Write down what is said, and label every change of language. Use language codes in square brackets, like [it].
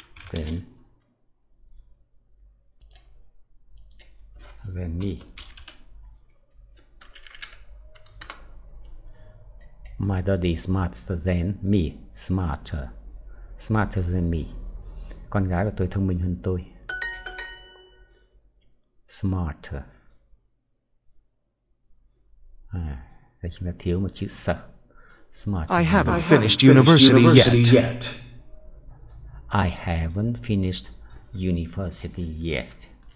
[en] Then. Then me. My daughter is smarter than me. Smarter. Smarter than me. [vi] Con gái của tôi thông minh hơn tôi. [en] Smarter. [vi] À, đây chúng ta thiếu một chữ sợ. [en] Smarter. I haven't finished university yet. I haven't finished university yet.